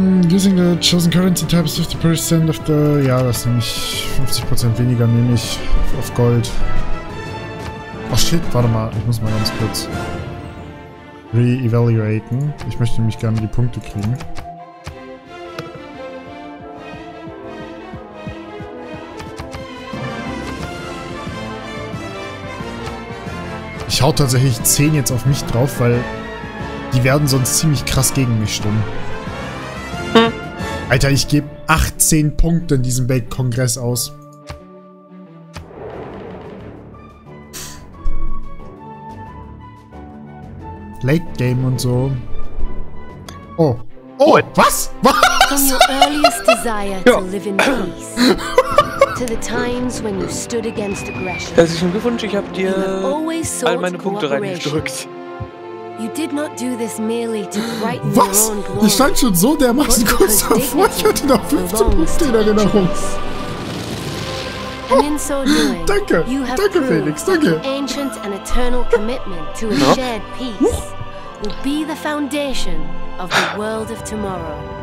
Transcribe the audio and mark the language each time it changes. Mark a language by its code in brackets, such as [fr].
[en] Using the chosen currency type is 50% of the... [de] Ja, das nehme ich. 50% weniger nehme ich auf Gold. [en] Oh shit, [de] warte mal, ich muss mal ganz kurz re-evaluaten. Ich möchte nämlich gerne die Punkte kriegen. Ich hau tatsächlich 10 jetzt auf mich drauf, weil die werden sonst ziemlich krass gegen mich stimmen. Alter, ich gebe 18 Punkte in diesem Weltkongress aus. Late Game und so. Oh. [en] Oh, what? [de] Was? Was? [en] From your earliest desire to live in peace. To the times when you stood against aggression. [de] Das ist schon gewünscht, ich hab dir all meine Punkte reingedrückt. [en] You did not do this merely to write your own glory. [de] Was? Ich stand schon so dermaßen kurz davor, ich hatte noch 15 Punkte in Erinnerung. [en] And in so doing, [de] danke, [en] you have [de] danke Felix, danke. [en] The ancient and eternal commitment to a shared peace will be the foundation of the world of tomorrow.